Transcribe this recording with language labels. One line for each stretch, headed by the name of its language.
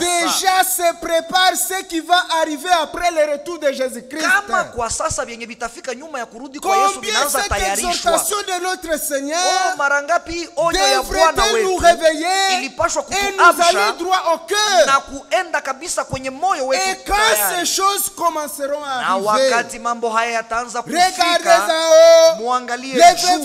French: Déjà se prépare ce qui va arriver après le retour de Jésus-Christ.
Swahili: Kama kwa sasa vyenye vitafika nyuma ya kurudi kwa Yesu binaanza tayarishwa.
French: Combien cette exhortation de notre Seigneur.
Swahili: Oh, mara ngapi onyo ya Bwana wetu.
French: Nous réveiller.
Swahili: Il pashwa kutuabisha na kuenda kabisa kwenye moyo wetu.
French: Et quand ces choses commenceront à arriver,
Swahili: na wakati mambo haya yataanza kufika,
French: regardez en
Swahili: haut, muangalie juu,
French: levez